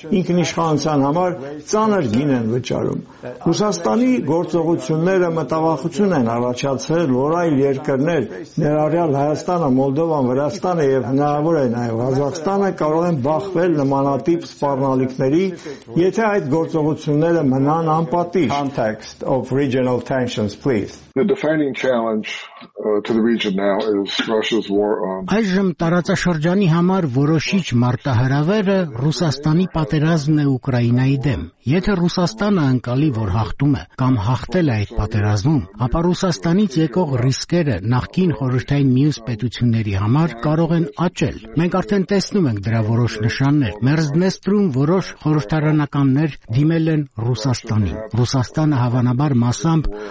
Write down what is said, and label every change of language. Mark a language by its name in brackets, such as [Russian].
[Armenian] ինքնիշխանության համար, ծանր գին են վճարում։ Ռուսաստանի գործողությունները մտավախություն են առաջացրել, որ այլ երկրներ, ներառյալ Հայաստանը, Մոլդովան, Վրաստանը եւ հնարավոր է նաեւ Ղազախստանը, կարող են բախվել նմանատիպ սպառնալիքների, եթե այդ գործողությունները մնան անպատիժ։ [English] Context of regional tensions, please. The defining challenge to the region now is Russia's war on. [Armenian] Այժմ տարածաշրջանի համար որոշիչ մարտահրավերը Ռուսաստանի պատերազմն է Ուկրաինայի դեմ։ Եթե Ռուսաստանը անկալի որ հաղթում է կամ հաղթել է այդ պատերազմում, ապա Ռուսաստանից եկող ռիսկերը նախկին խորհրդային մյուս պետությունների համար կարող են աճել։ Մենք արդեն տեսնում ենք դրա որոշ նշաններ։ Մերզդնեստրում որոշ խորհրդարանականներ դիմել են Ռուսաստանին։ Ռուսաստանը հավանաբար մասամբ